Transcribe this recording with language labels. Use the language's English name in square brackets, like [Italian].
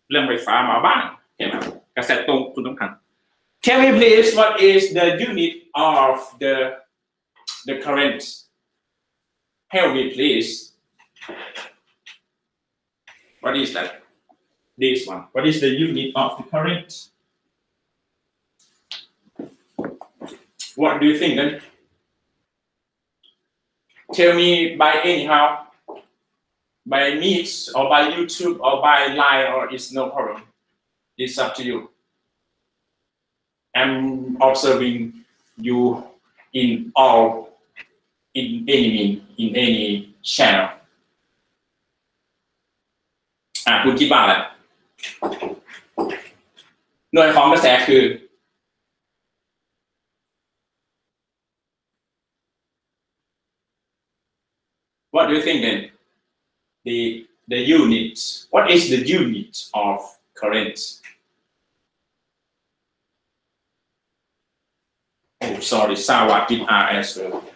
[Thai] ด้วยของกระแสคืออะไรถึงต้องบอกว่าเรียนวิชานี้ต้องมีความรู้พื้นฐานเกี่ยวกับเรื่องไฟฟ้ามาบ้างเห็นไหมกระแสตรงคุณต้องทัน [English] Tell me please, what is the unit of the current? Tell me please, what is that? This one, what is the unit of the current? What do you think then? Tell me by anyhow, by Meet or by YouTube or by Line, or it's no problem. It's up to you. I'm observing you in any channel. [Thai] คุณคิดว่าอะไรหน่วยของกระแสคือ [English] What do you think then? The unit. What is the unit of current? Oh, sorry. Sawat in R as well.